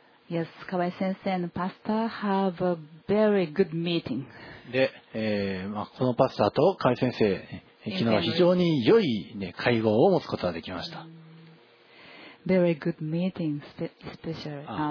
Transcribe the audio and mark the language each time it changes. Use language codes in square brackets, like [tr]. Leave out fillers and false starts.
[en] Yes, Kawai 先生 and Pastor have a very good meeting. [ja] で、まあ、このパスターと Kawai 先生、昨日は非常に良い、ね、会合を持つことができました。 [en] Very good meeting, especially.